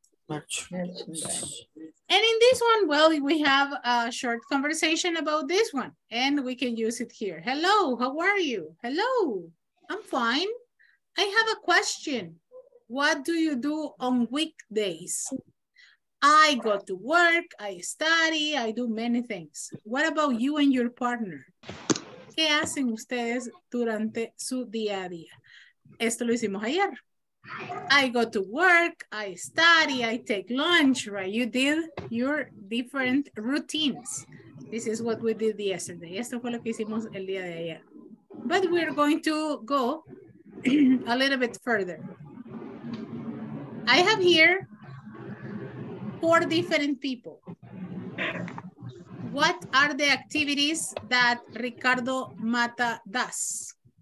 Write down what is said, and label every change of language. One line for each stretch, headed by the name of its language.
English: And in this one, well, we have a short conversation about this one and we can use it here. Hello, how are you? Hello, I'm fine. I have a question. What do you do on weekdays? I go to work, I study, I do many things. What about you and your partner?
Spanish: ¿qué hacen ustedes durante su día a día? Esto lo hicimos ayer.
English: I go to work, I study, I take lunch, right? You did your different routines. This is what we did yesterday.
Spanish: Esto fue lo que hicimos el día de ayer.
English: But we're going to go a little bit further. I have here 4 different people. What are the activities that Ricardo Mata does?